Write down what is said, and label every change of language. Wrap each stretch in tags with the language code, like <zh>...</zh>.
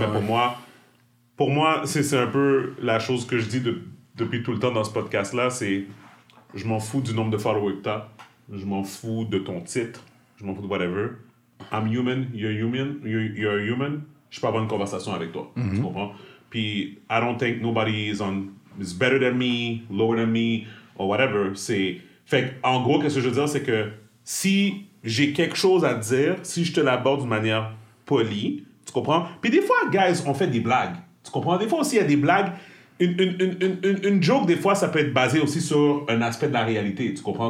<fr>Mais pour moi, c'est un peu la chose que je dis depuis tout le temps dans ce podcast-là, c'est je m'en fous du nombre de followers que t'as, je m'en fous de ton titre, je m'en fous de whatever.</fr> <en>I'm human, you're human.</en> <fr>Je peux pas avoir une conversation avec toi, mm-hmm. tu comprends?</fr> <en>Puis, I don't think nobody is better than me, lower than me, or whatever.</en> <fr>Fait en gros, qu'est-ce que je veux dire, c'est que si j'ai quelque chose à dire, si je te l'aborde d'une manière polie, tu comprends? Puis des fois, guys, on fait des blagues, tu comprends? Des fois aussi, il y a des blagues. Une joke, des fois, ça peut être basé aussi sur un aspect de la réalité, tu comprends?</fr>